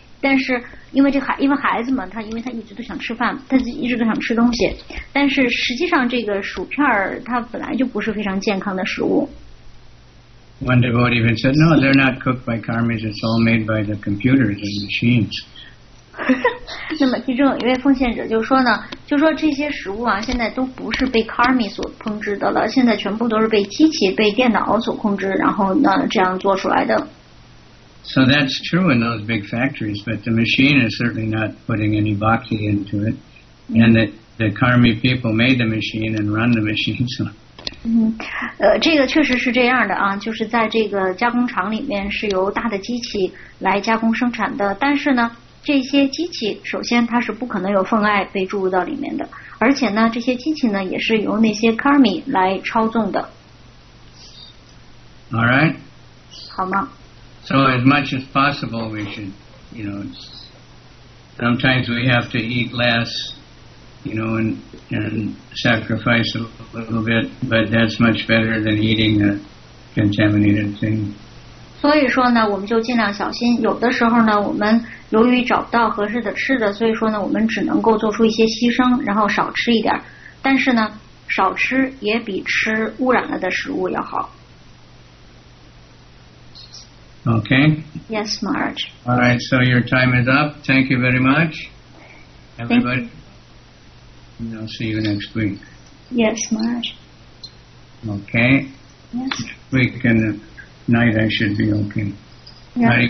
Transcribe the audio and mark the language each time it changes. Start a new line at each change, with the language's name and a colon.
Chinese: 但是因为这孩，因为孩子嘛，他因为他一直都想吃饭，他一直都想吃东西。但是实际上，这个薯片它本来就不是非常健康的食物。
English: One devotee even said, no, they're not cooked by karmis, it's all made by the computers and machines.
Chinese: 那么其中有一位奉献者就说呢，就说这些食物啊，现在都不是被 karmi 所烹制的了，现在全部都是被机器、被电脑所控制，然后呢这样做出来的。
English: So that's true in those big factories, but the machine is certainly not putting any bhakti into it, and the karmi people made the machine and run the machine. So.
Chinese: 这个确实是这样的啊，就是在这个加工厂里面是由大的机器来加工生产的，但是呢。这些机器首先它是不可能有分爱被注入到里面的而且呢这些机器呢也是由那些 Karmi 来操纵的
English: All right.
Chinese: 好吗
English: So as much as possible we should you know sometimes we have to eat less you know and sacrifice a little bit but that's much better than eating a contaminated thing
Chinese: 所以说呢我们就尽量小心有的时候呢我们由于找不到合适的吃的所以说呢我们只能够做出一些牺牲然后少吃一点但是呢少吃也比吃污染了的食物要好
English: Okay Yes, Maharaj All right, so your time is up Thank you very much Everybody And I'll see you next week Yes, Maharaj Okay Yes We canNight, I should be okay.